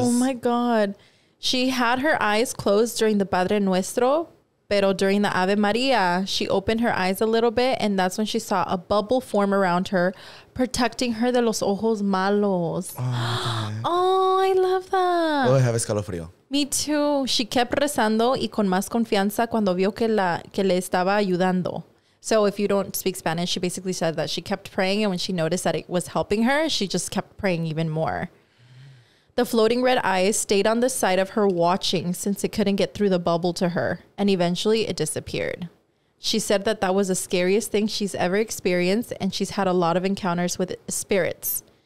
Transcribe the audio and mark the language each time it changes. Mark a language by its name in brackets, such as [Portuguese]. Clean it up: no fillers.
[English] Oh my God. She had her eyes closed during the Padre Nuestro, pero during the Ave Maria, she opened her eyes a little bit, and that's when she saw a bubble form around her, protecting her [Spanish] de los ojos malos. [English] Oh, okay. Oh, I love that. Oh, I have escalofrío. Me too. She kept [Spanish] rezando y con más confianza cuando vio que le estaba ayudando. [English] So if you don't speak Spanish, she basically said that she kept praying, and when she noticed that it was helping her, she just kept praying even more. The floating red eyes stayed on the side of her watching since it couldn't get through the bubble to her, and eventually it disappeared. She said that that was the scariest thing she's ever experienced, and she's had a lot of encounters with spirits.